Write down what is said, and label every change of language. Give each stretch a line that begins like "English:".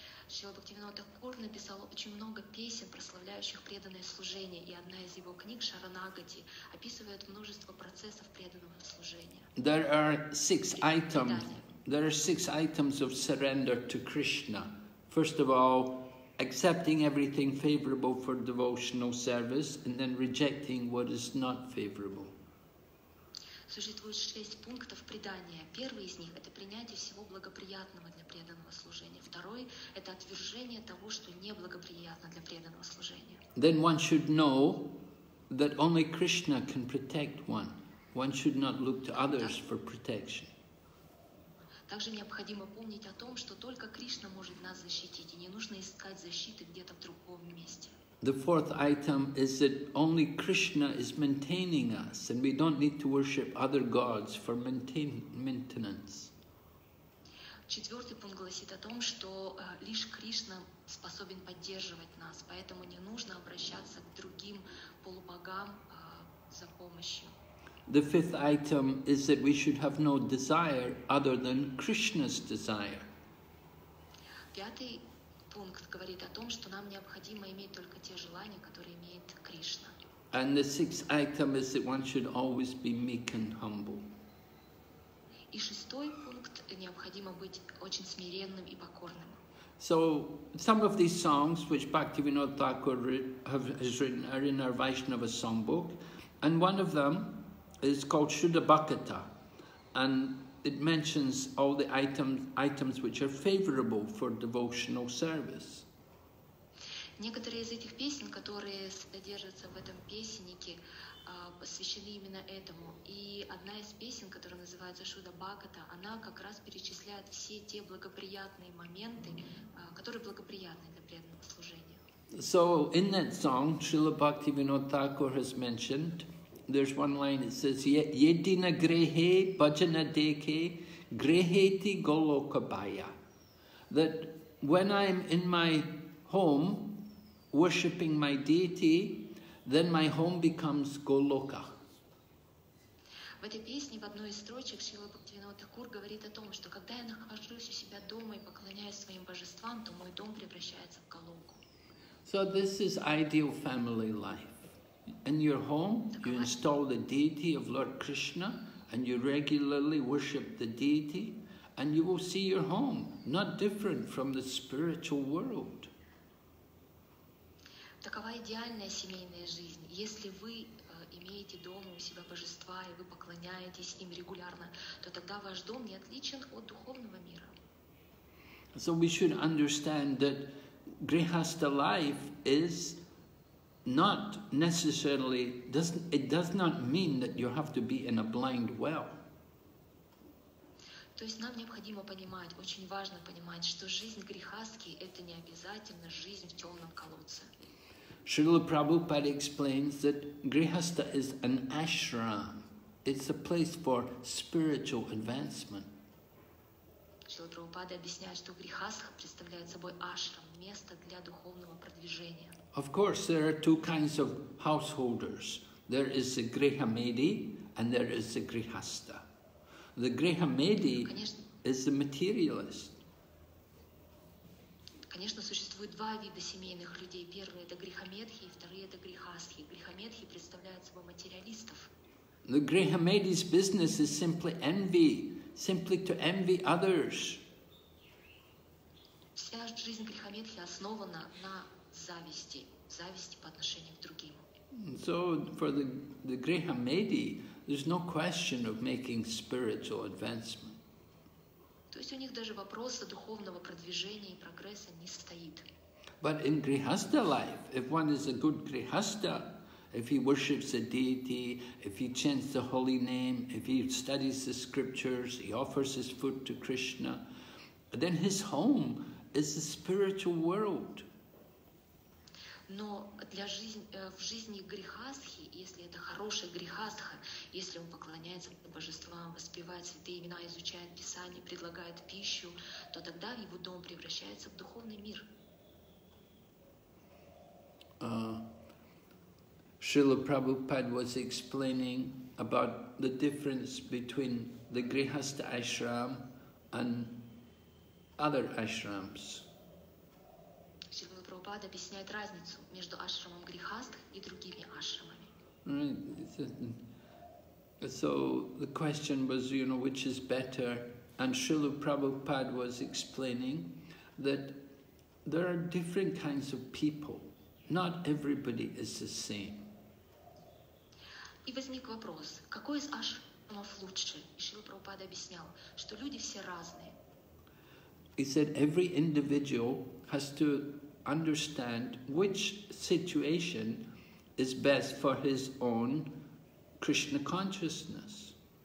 Russian: Srila Bhaktivinoda Thakur написал очень много песен, прославляющих преданное служение, и одна из его книг Sharanagati описывает множество процессов преданного служения.
English: There are six items. There are six items of surrender to Krishna. First of all, accepting everything favorable for devotional service, and then rejecting what is not favorable.
Russian: Существует шесть пунктов предания. Первый из них – это принятие всего благоприятного для преданного служения. Второй – это отвержение того, что неблагоприятно для преданного служения.
English: Then one should know that only Krishna can protect one. One should not look to others for protection.
Russian: Также необходимо помнить о том, что только Кришна может нас защитить, и не нужно искать защиты где-то в другом месте.
English: The fourth item is that only Krishna is maintaining us, and we don't need to worship other gods for maintenance.
Russian: Четвертый пункт гласит о том, что лишь Кришна способен поддерживать нас, поэтому не нужно обращаться к другим полубогам за помощью.
English: The fifth item is that we should have no desire other than Krishna's desire.
Russian: Пятый пункт говорит о том, что нам необходимо иметь только те желания, которые имеет Кришна.
English: And the sixth item is that one should always be meek and humble.
Russian: И шестой пункт – необходимо быть очень смиренным и покорным.
English: So, some of these songs, which Bhaktivinoda Thakur has written, are in our Vaishnava songbook. And one of them is called Shuddha Bhakata. And it mentions all the items which are favorable for devotional service.
Russian: Некоторые из этих песен, которые содержатся в этом песеннике, посвящены именно этому. И одна из песен, которая называется Шуда Бхаката, она как раз перечисляет все те благоприятные моменты, которые благоприятны для преданного служения.
English: So in that song, Srila Bhaktivinoda Thakur has mentioned, there's one line, it says,
Bangla: Yedina grehe bhajana deke greheti golokabhaya.
English: That when I'm in my home worshipping my deity, then my home becomes Goloka.
Russian: В этой песне, в одной из строчек, Шрила Бхактивинода Такур говорит о том, что когда я нахожусь у себя дома и поклоняюсь своим божествам, то мой дом превращается в Голоку.
English: So this is ideal family life. In your home, you install the deity of Lord Krishna, and you regularly worship the deity, and you will see your home not different from the spiritual world.
Russian: Такова идеальная семейная жизнь. Если вы имеете дома у себя божества, и вы поклоняетесь им регулярно, то тогда ваш дом не отличен от духовного мира.
English: So we should understand that grihastha life is not necessarily, it does not mean that you have to be in a blind well.
Russian: То есть нам необходимо понимать, очень важно понимать, что жизнь грихастхи – это не обязательно жизнь в темном колодце.
English: Srila Prabhupada explains that Grihastha is an ashram. It's a place for spiritual advancement.
Russian: Srila Prabhupada объясняет, что Грихастха представляет собой ашрам, место для духовного продвижения.
English: Of course, there are two kinds of householders. There is the Grihamedi and there is the Grihastha. The Grihamedi is the materialist.
Russian: Конечно, существует два вида семейных людей. Первый – это грихамедхи, и второй – это грихастхи. Грихамедхи представляют собой материалистов.
English: The grihamedi's business is simply envy, simply to envy others.
Russian: Вся жизнь грихамедхи основана на зависти, зависти по отношению к другим.
English: So for the grihamedi, there's no question of making spiritual advancement.
Russian: То есть у них даже вопроса духовного продвижения и прогресса не стоит.
English: But in grihastha life, if one is a good grihastha, if he worships a deity, if he chants the holy name, if he studies the scriptures, he offers his food to Krishna, then his home is the spiritual world.
Russian: Но для жизни, в жизни грихастхи, если это хороший грихастха, если он поклоняется божествам, воспевает святые имена, изучает Писание, предлагает пищу, то тогда его дом превращается в духовный мир.
English: Srila Prabhupada was explaining about the difference between the grihastha ashram and other ashrams.
Russian: Прабхупада объясняет разницу между ашрамом грихастх и другими ашрамами.
English: So the question was, you know, which is better? And Srila Prabhupada was explaining that there are different kinds of people. Not everybody is the same.
Russian: И возник вопрос, какой из ашрам умов лучше. И Шрила Прабхупада объяснял, что люди все разные.
English: He said every individual has to understand which situation is best for his own Krishna consciousness.